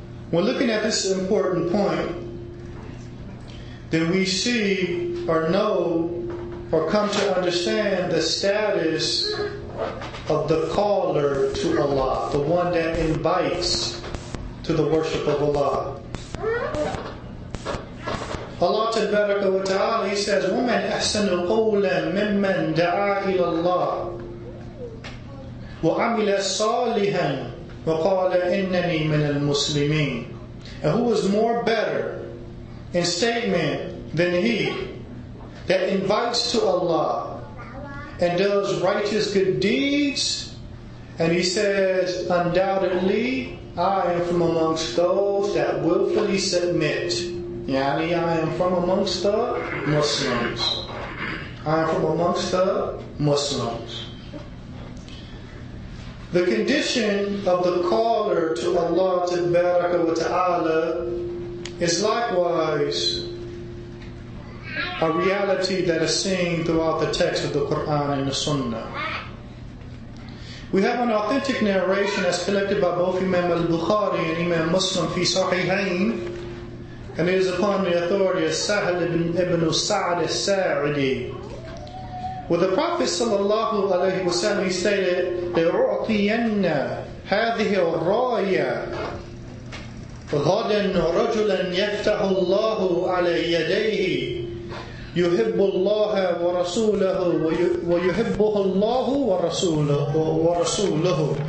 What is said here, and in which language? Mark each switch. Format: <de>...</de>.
<en>When looking at this important point, then we see or know or come to understand the status of the caller to Allah, the one that invites to the worship of Allah. Allah Tabaraka wa Ta'ala, He says,</en> <ar>وَمَنْ أَحْسَنُ قَوْلًا مِمَّنْ دَعَى إِلَى اللَّهِ وَعَمِلَ صَالِحًا وَقَالَ إِنَّنِي مِنَ الْمُسْلِمِينَ.</ar> <en>And who is more better in statement than he that invites to Allah and does righteous good deeds, and he says, undoubtedly, I am from amongst those that willfully submit. Yani, I am from amongst the Muslims. I am from amongst the Muslims. The condition of the caller to Allah Tabaraka wa Ta'ala is likewise a reality that is seen throughout the text of the Qur'an and the Sunnah. We have an authentic narration as collected by both Imam al-Bukhari and Imam Muslim fi Sahihain, and it is upon the authority of Sahal ibn Sa'd al-Sa'idi. Well, the Prophet sallallahu alaihi wasallam stated,</en> <ar>"لَرُعْطِيَنَّ هَذِهِ الرَّايَ غَدًا رَجُلًا يَفْتَحُ اللَّهُ عَلَى يَدَيْهِ يُحِبُّ اللَّهَ وَرَسُولَهُ وَيُحِبُّهُ اللَّهُ وَرَسُولُهُ."</ar>